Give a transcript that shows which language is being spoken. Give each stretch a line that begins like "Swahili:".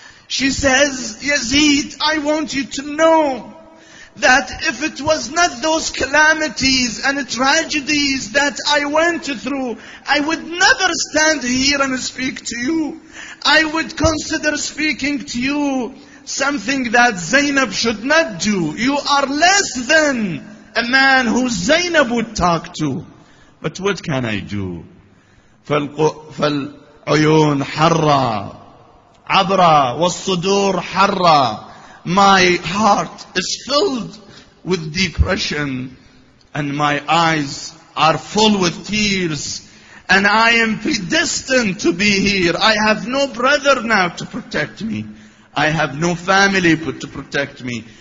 English: She says, Yazid, I want you to know that if it was not those calamities and tragedies that I went through, I would never stand here and speak to you. I would consider speaking to you something that Zainab should not do. You are less than a man who Zainab would talk to. But what can I do?
Arabic: فالعيون حرة عبرة والصدور حرة.
English: My heart is filled with depression and my eyes are full with tears and I am predestined to be here. I have no brother now to protect me. I have no family to protect me.